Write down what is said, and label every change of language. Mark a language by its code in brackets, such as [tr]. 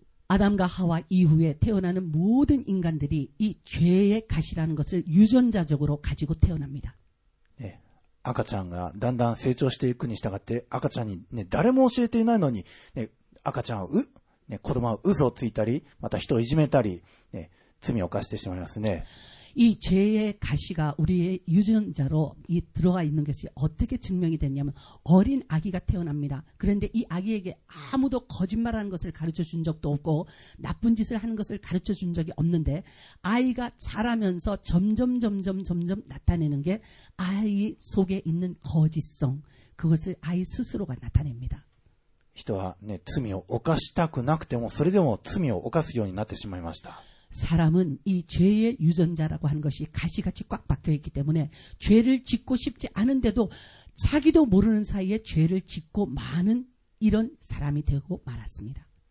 [ko] 아담과하와이후에태어나는모든인간들이이죄의가시라는것을유전자적으로가지고태어납니다 [ja] 네赤ちゃんがだんだん成長していくに従って赤ちゃんに、ね、誰も教えていないのに、ね、赤ちゃんは、ね、子供は嘘をついたりまた人をいじめたり、ね、罪を犯してしまいますね [ko] 이 죄의 가시가 우리의 유전자로 이 들어와 있는 것이 어떻게 증명이 됐냐면 어린 아기가 태어납니다. 그런데 이 아기에게 아무도 거짓말하는 것을 가르쳐 준 적도 없고 나쁜 짓을 하는 것을 가르쳐 준 적이 없는데 아이가 자라면서 점점 나타내는 게 아이 속에 있는 거짓성, 그것을 아이 스스로가 나타냅니다. [ja] 人は罪を犯したくなくてもそれでも罪を犯すようになってしまいました。 [ko] 사람은 이 죄의 유전자라고 하는 것이 가시같이 꽉 박혀있기 때문에 죄를 짓고 싶지 않은데도 자기도 모르는 사이에 죄를 짓고 많은 이런 사람이 되고 말았습니다.